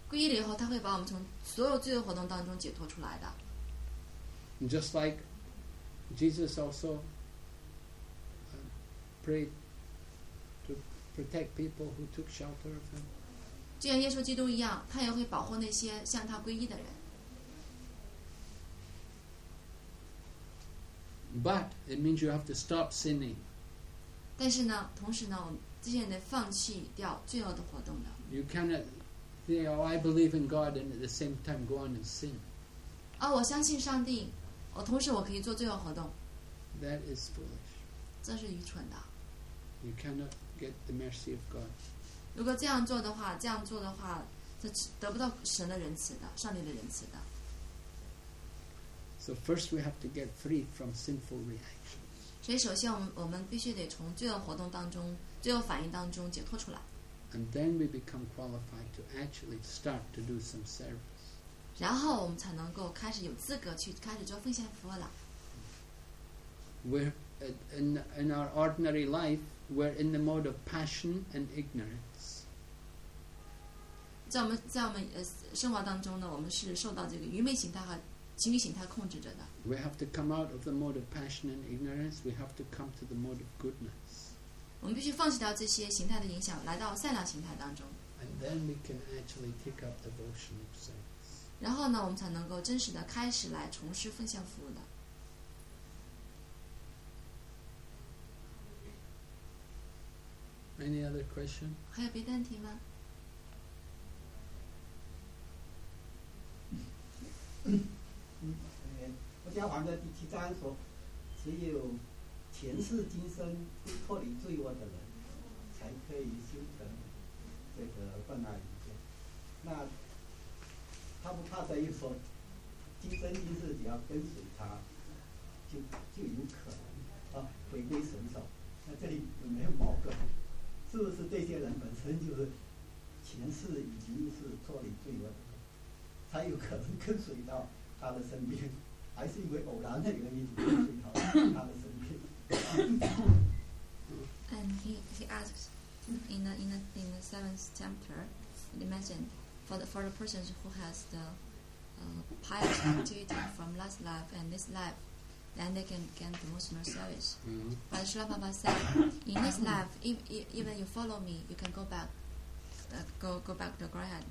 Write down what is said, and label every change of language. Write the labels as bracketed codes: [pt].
[zh] 皈依了以后，他会把我们从所有罪恶活动当中解脱出来的。 [en] Just like Jesus also prayed to protect people who took shelter of him. [zh] 就像耶稣基督一样，他也会保护那些向他皈依的人。 [en] But it means you have to stop sinning. [zh] 但是呢，同时呢，我们这些人得放弃掉罪恶的活动的。 [en] You cannot say, "Oh, I believe in God," and at the same time go on and sin. [zh] 啊，我相信上帝，我同时我可以做罪恶活动。 [en] That is foolish. [zh] 这是愚蠢的。 [en] You cannot get the mercy of God. [zh] 如果这样做的话，这样做的话，这得不到神的仁慈的，上帝的仁慈的。 [en] So first we have to get free from sinful reactions. [zh] 所以首先我们必须得从罪恶活动当中、罪恶反应当中解脱出来。 [en] And then we become qualified to actually start to do some service. [zh] 然后我们才能够开始有资格去开始做奉献服务了。 [en] We're in our ordinary life, we're in the mode of passion and ignorance. [zh] 在我们生活当中呢，我们是受到这个愚昧形态和情欲形态控制着的。 [en] We have to come out of the mode of passion and ignorance. We have to come to the mode of goodness. [zh] 我们必须放弃掉这些形态的影响，来到善良形态当中。 [en] And then we can actually take up the devotion of service. [zh] 然后呢，我们才能够真实的开始来从事奉献服务的。 [en] Any other question? [zh] 还有别的问题吗？我想还在第七章说，只有前世今生脱离罪恶的人，才可以修成这个本来理解。那他不怕这一说，今生今世只要跟随他，就有可能啊回归神手。那这里有没有矛盾？是不是这些人本身就是前世已经是脱离罪恶的人，才有可能跟随到他的身边？还是因为偶然的原因跟随到他的身边？ [en] And he asks in the seventh chapter, it mentioned for the person who has the pious activity from last life and this life, then they can get the devotional service. Mm-hmm. But Srila Prabhupada said, in this life, even you follow me, you can go back to Godhead.